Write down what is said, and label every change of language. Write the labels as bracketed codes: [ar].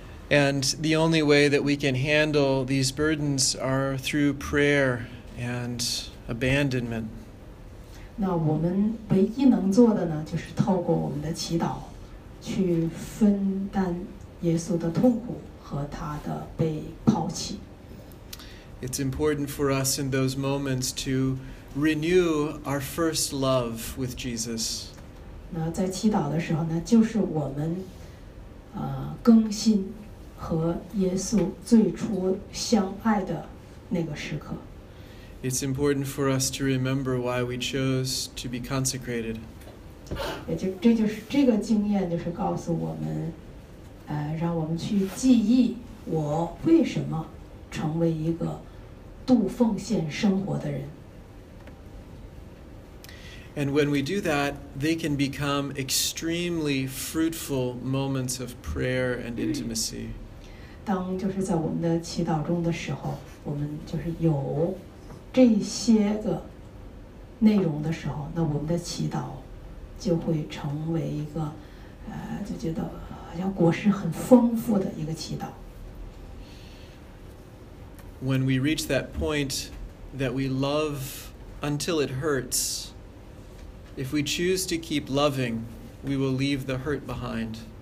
[en] And the only way that we can handle these burdens are through prayer and abandonment. [zh] 那我们唯一能做的呢，就是透过我们的祈祷，去分担耶稣的痛苦和他的被抛弃。 [en] It's important for us in those moments to renew our first love with Jesus. [zh] 那在祈祷的时候呢，就是我们，更新。和耶稣最初相爱的那个时刻。 [en] It's important for us to remember why we chose to be consecrated. [zh] 也就这就是这个经验，就是告诉我们，让我们去记忆我为什么成为一个度奉献生活的人。 [en] And when we do that, they can become extremely fruitful moments of prayer and intimacy. [zh] 当就是在我们的祈祷中的时候，我们就是有这些个内容的时候，那我们的祈祷就会成为一个，就觉得好像果实很丰富的一个祈祷。 [en] When we reach that point that we love until it hurts, if we choose to keep loving, we will leave the hurt behind.